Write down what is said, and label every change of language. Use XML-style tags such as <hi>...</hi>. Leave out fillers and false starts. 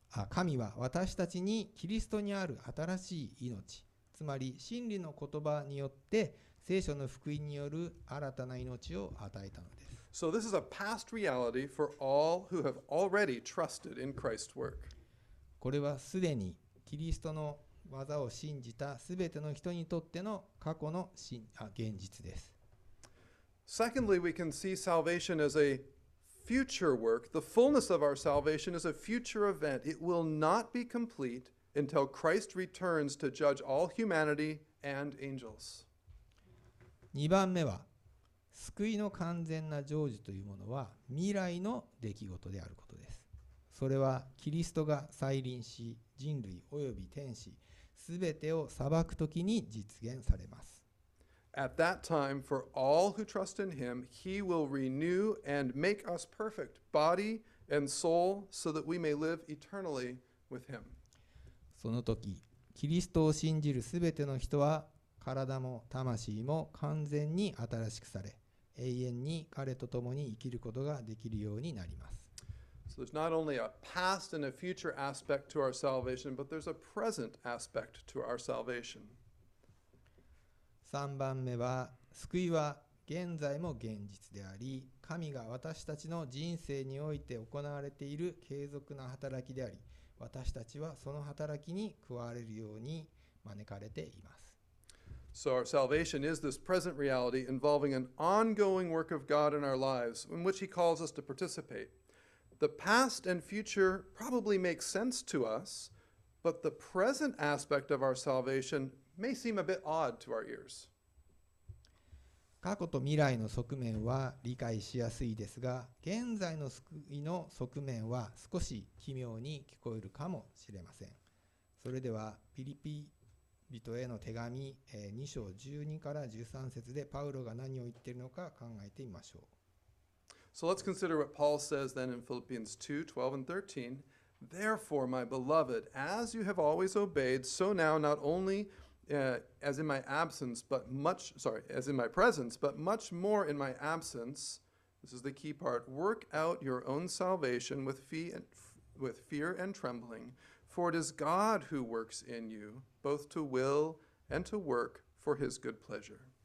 <ja>神は私たちにキリストにある新しい命、つまり真理の言葉によって聖書の福音による新たな命を与えたのです。</ja> <en>So this is a past reality for all who have already trusted in Christ's work.</en> <ja>これはすでにキリストの技を信じたすべての人にとっての過去の現実です。</ja> <en>Secondly, we can see salvation as a future work. The fullness of our salvation is a future event. It will not be complete until Christ returns to judge all humanity and angels.</en> <ja>2番目は救いの完全な成就というものは未来の出来事であることです。それはキリストが再臨し、人類及び天使、すべてを裁くときに実現されます。</ja> <en>At that time, for all who trust in him, he will renew and make us perfect, body and soul, so that we may live eternally with him.</en> <ja>その時、キリストを信じるすべての人は、体も魂も完全に新しくされ、永遠に彼と共に生きることができるようになります。</ja> <en>So there's not only a past and a future aspect to our salvation, but there's a present aspect to our salvation.</en> <ja>3番目は、救いは現在も現実であり、神が私たちの人生において行われている継続な働きであり、私たちはその働きに加われるように招かれています。</ja> <en>So our salvation is this present reality involving an ongoing work of God in our lives in which he calls us to participate. The past and future probably make sense to us, but the present aspect of our salvation may seem a bit odd to our ears.</en> <ja>過去と未来の側面は理解しやすいですが、現在の救いの側面は少し奇妙に聞こえるかもしれません。それではフィリピ人への手紙2章12から13節でパウロが何を言っているのか考えてみましょう。</ja> <en>So let's consider what Paul says then in Philippians 2, 12 and 13. Therefore, my beloved, as you have always obeyed, so now not only as in my presence, but much more in my absence, this is the key part, work out your own salvation with fear and trembling, for it is God who works in you,both to will and to work for his good pleasure.</en>